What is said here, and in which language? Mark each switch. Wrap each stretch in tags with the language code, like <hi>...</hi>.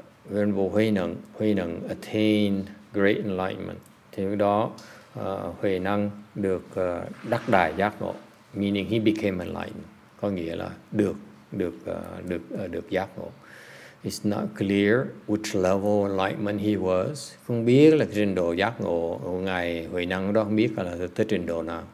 <en>Venerable HuiNeng, HuiNeng attained great enlightenment.</en> <vi>Thì lúc đó Huệ Năng được đắc đại giác ngộ,</vi> <en>meaning he became enlightened,</en> <vi>có nghĩa là được giác ngộ.</vi> <en>It's not clear which level of enlightenment he was.</en> <vi>Không biết là trình độ giác ngộ của Ngài Huệ Năng đó, không biết là tới trình độ nào.</vi>